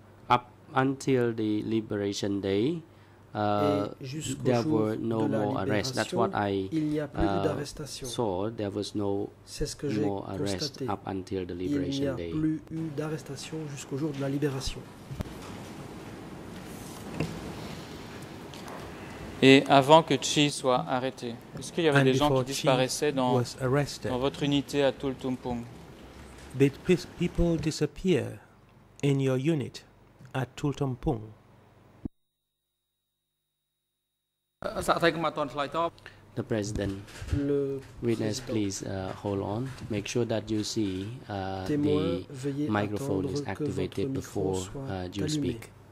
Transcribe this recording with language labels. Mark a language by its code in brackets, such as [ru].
[en] up until the liberation day, there were no more arrests. That's what I saw. There was no more arrests up until the liberation day. [fr] Il n'y a plus eu d'arrestation jusqu'au jour de la libération. Et avant que Chi soit arrêté, est-ce qu'il y avait des gens qui disparaissaient dans votre unité à Tultumpung? [en] Did people disappear in your unit at Tultumpung? The president, witness, please hold on. Make sure that you see the microphone is activated before you speak.